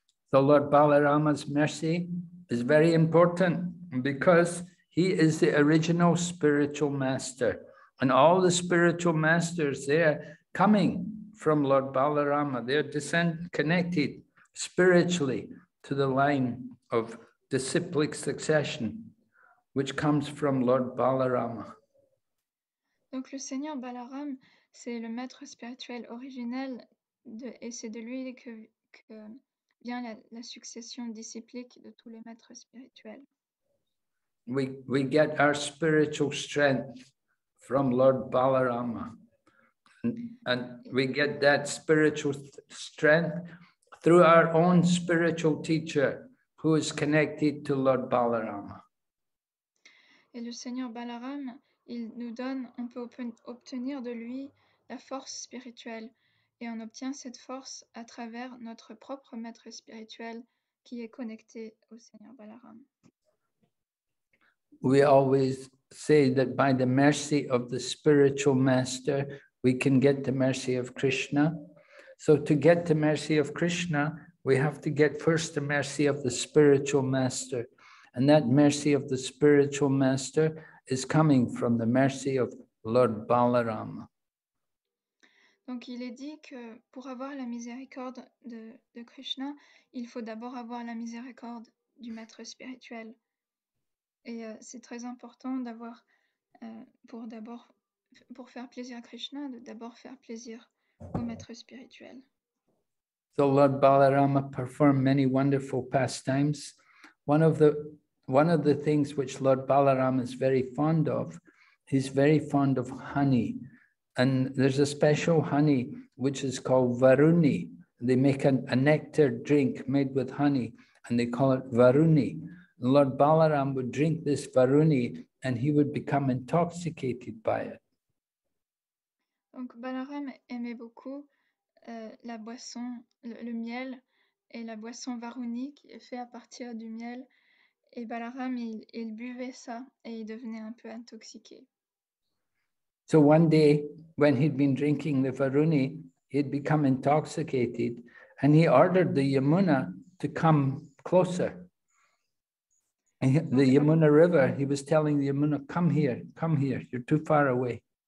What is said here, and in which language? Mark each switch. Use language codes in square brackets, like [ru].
[en] So Lord Balarama's mercy is very important because he is the original spiritual master. And all the spiritual masters, they are coming from Lord Balarama. They are connected spiritually to the line of disciplic succession, which comes from Lord Balarama. [fr] Donc le Seigneur Balaram, c'est le maître spirituel originel, et c'est de lui que vient la succession disciplique de tous les maîtres spirituels. [en] We get our spiritual strength from Lord Balarama. And we get that spiritual strength through our own spiritual teacher who is connected to Lord Balarama. [fr] Et le Seigneur Balaram, il nous donne, on peut obtenir de lui la force spirituelle. Et on obtient cette force à travers notre propre maître spirituel qui est connecté au Seigneur Balaram. [en] We always say that by the mercy of the spiritual master, we can get the mercy of Krishna. So to get the mercy of Krishna, we have to get first the mercy of the spiritual master. And that mercy of the spiritual master is coming from the mercy of Lord Balaram. [fr] Donc il est dit que pour avoir la miséricorde de Krishna, il faut d'abord avoir la miséricorde du maître spirituel. Et c'est très important d'avoir, pour faire plaisir à Krishna, de d'abord faire plaisir au maître spirituel. [en] So Lord Balarama performed many wonderful pastimes. One of the things which Lord Balarama is very fond of, he's very fond of honey. And there's a special honey which is called Varuni. They make a nectar drink made with honey and they call it Varuni. Lord Balaram would drink this Varuni and he would become intoxicated by it. [fr] Donc Balaram aimait beaucoup la boisson, le miel et la boisson Varuni qui est faite à partir du miel. Et Balaram, il buvait ça et il devenait un peu intoxiqué. [en] So one day, when he'd been drinking the Varuni, he'd become intoxicated and he ordered the Yamuna to come closer. And the Yamuna River, he was telling the Yamuna, come here, you're too far away.